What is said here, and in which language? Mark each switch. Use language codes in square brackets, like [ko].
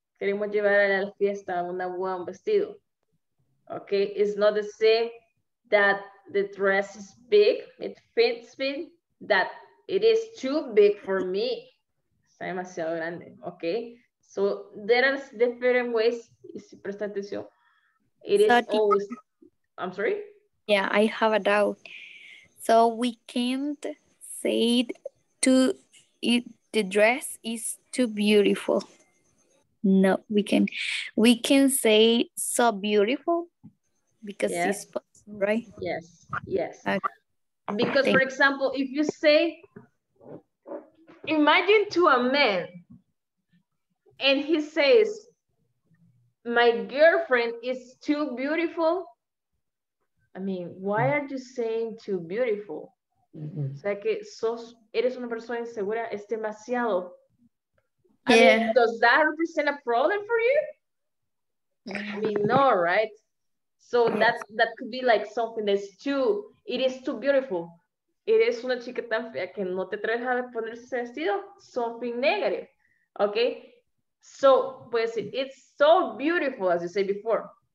[es] Queremos llevar a la fiesta una boda, un vestido. [en] Okay, it's not the same that the dress is big. It fits me that it is too big for me. [es] Está demasiado grande, [en] okay? So there are different ways. [es] Presta atención. [en] It is always, I'm sorry? Yeah, I have a doubt. So we can't say it to it, the dress is too beautiful. No, we can say so beautiful because yes. It's possible, right? Yes, yes. Okay. Because thank for example, if you say, imagine to a man and he says, my girlfriend is too beautiful. I mean, why are you saying too beautiful? [es] Mm-hmm. O sea que sos, eres una persona insegura, es demasiado. [en] Yeah. I mean, does that represent a problem for you? I mean, no, right? So that could be like something that's too, it is too beautiful. [es] Eres una chica tan fea que no te atreves a ponerse ese vestido. [en] Something negative, okay? So, pues, it's so beautiful, as you said before.